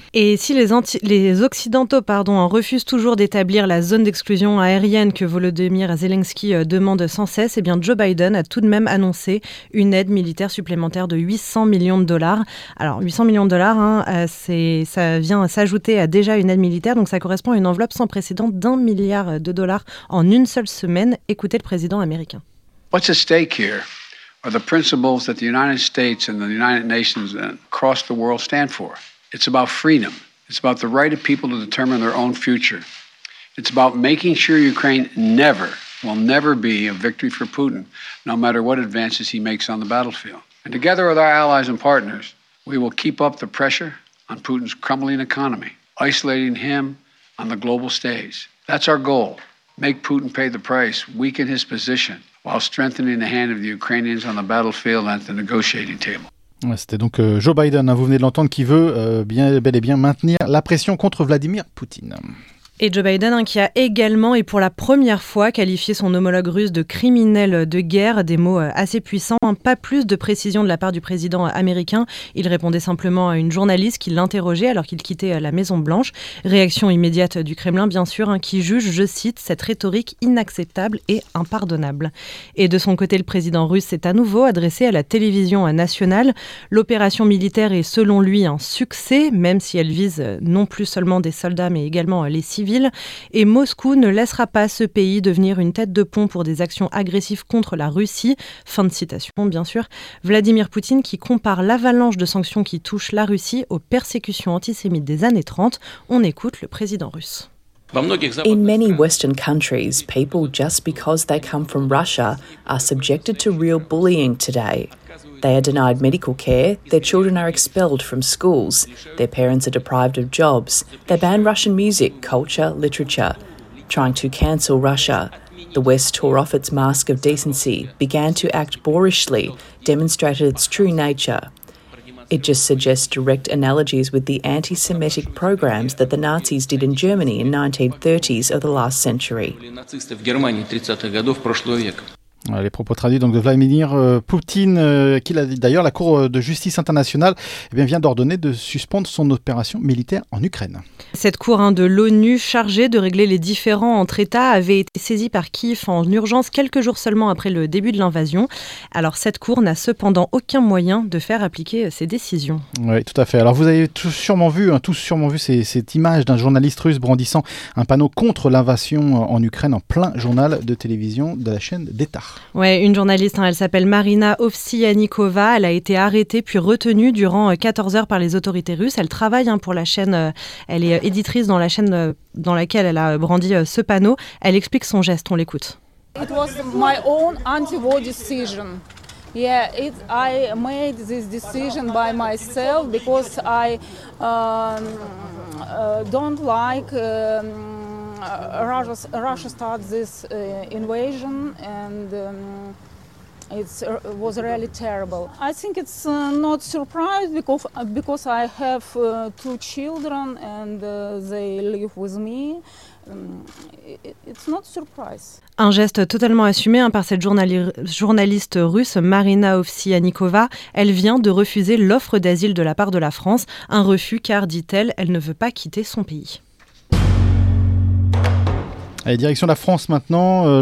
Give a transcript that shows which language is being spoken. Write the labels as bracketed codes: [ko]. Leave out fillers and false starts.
[fr] Et si les Occidentaux en refusent toujours d'établir la zone d'exclusion aérienne que Volodymyr Zelensky demande sans cesse, eh bien Joe Biden a tout de même annoncé une aide militaire supplémentaire de 800 millions de dollars. Alors 800 millions de dollars, ça vient s'ajouter à déjà une aide militaire, donc ça correspond à une enveloppe sans précédent d'un milliard de dollars en une seule semaine. Écoutez le président américain. [en] What's at stake here? Are the principles that the United States and the United Nations across the world stand for. It's about freedom. It's about the right of people to determine their own future. It's about making sure Ukraine will never be a victory for Putin, no matter what advances he makes on the battlefield. And together with our allies and partners, we will keep up the pressure on Putin's crumbling economy, isolating him on the global stage. That's our goal. Make Putin pay the price, weaken his position, while strengthening the hand of the Ukrainians on the battlefield and at the negotiating table. [fr] Ouais, c'était donc Joe Biden, hein, vous venez de l'entendre, qui veut bel et bien maintenir la pression contre Vladimir Poutine. Et Joe Biden, qui a également et pour la première fois qualifié son homologue russe de criminel de guerre, des mots assez puissants, pas plus de précision de la part du président américain. Il répondait simplement à une journaliste qui l'interrogeait alors qu'il quittait la Maison Blanche. Réaction immédiate du Kremlin, bien sûr, qui juge, je cite, cette rhétorique inacceptable et impardonnable. Et de son côté, le président russe s'est à nouveau adressé à la télévision nationale. L'opération militaire est selon lui un succès, même si elle vise non plus seulement des soldats mais également les civils. Et Moscou ne laissera pas ce pays devenir une tête de pont pour des actions agressives contre la Russie. Fin de citation, bien sûr. Vladimir Poutine qui compare l'avalanche de sanctions qui touchent la Russie aux persécutions antisémites des années 30. On écoute le président russe. [en] In many Western countries, people just because they come from Russia are subjected to real bullying today. They are denied medical care, their children are expelled from schools, their parents are deprived of jobs, they ban Russian music, culture, literature, trying to cancel Russia. The West tore off its mask of decency, began to act boorishly, demonstrated its true nature. It just suggests direct analogies with the anti-Semitic programs that the Nazis did in Germany in 1930s of the last century. [fr] Les propos traduits donc de Vladimir Poutine, qui l'a dit d'ailleurs, la Cour de justice internationale vient d'ordonner de suspendre son opération militaire en Ukraine. Cette cour de l'ONU chargée de régler les différends entre États avait été saisie par Kiev en urgence quelques jours seulement après le début de l'invasion. Alors cette cour n'a cependant aucun moyen de faire appliquer ses décisions. Oui, tout à fait. Alors vous avez tous sûrement vu cette image d'un journaliste russe brandissant un panneau contre l'invasion en Ukraine en plein journal de télévision de la chaîne d'État. Ouais, une journaliste, elle s'appelle Marina Ovsyannikova, elle a été arrêtée puis retenue durant 14 heures par les autorités russes. Elle travaille pour la chaîne, elle est éditrice dans la chaîne dans laquelle elle a brandi ce panneau. Elle explique son geste, on l'écoute. [en] It was my own anti-war decision. Yeah, I made this decision by myself because I don't like Russia started this invasion and it was really terrible. I think it's not surprised because I have two children and they live with me. It's not surprise. [fr] Un geste totalement assumé par cette journaliste russe Marina Ovsyannikova. Elle vient de refuser l'offre d'asile de la part de la France. Un refus car, dit-elle, elle ne veut pas quitter son pays. Allez, direction la France maintenant.